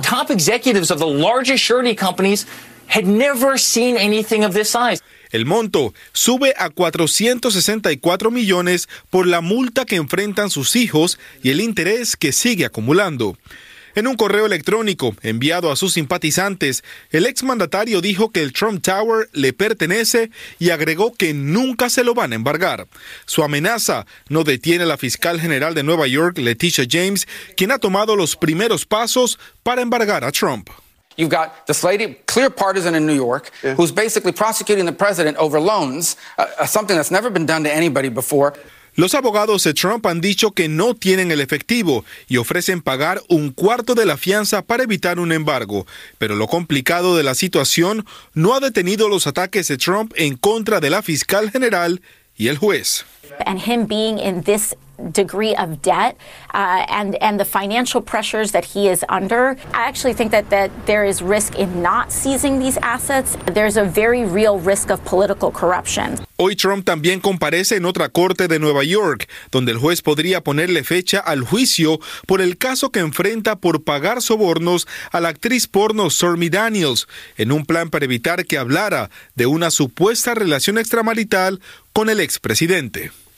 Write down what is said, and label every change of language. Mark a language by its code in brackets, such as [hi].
[en] Top executives of the largest surety companies had never seen anything of this size. [es] El monto sube a $464 millones por la multa que enfrentan sus hijos y el interés que sigue acumulando. En un correo electrónico enviado a sus simpatizantes, el exmandatario dijo que el Trump Tower le pertenece y agregó que nunca se lo van a embargar. Su amenaza no detiene a la fiscal general de Nueva York, Letitia James, quien ha tomado los primeros pasos para embargar a Trump. [en] You've got this lady, clear partisan in New York, yeah, who's basically prosecuting the president over loans, something that's never been done to anybody before. [es] Los abogados de Trump han dicho que no tienen el efectivo y ofrecen pagar un cuarto de la fianza para evitar un embargo. Pero lo complicado de la situación no ha detenido los ataques de Trump en contra de la fiscal general y el juez. [en] And him being in this degree of debt and the financial pressures that he is under. I actually think that there is risk in not seizing these assets. There's a very real risk of political corruption. [es] Hoy Trump también comparece en otra corte de Nueva York, donde el juez podría ponerle fecha al juicio por el caso que enfrenta por pagar sobornos a la actriz porno Stormy Daniels en un plan para evitar que hablara de una supuesta relación extramarital con el expresidente.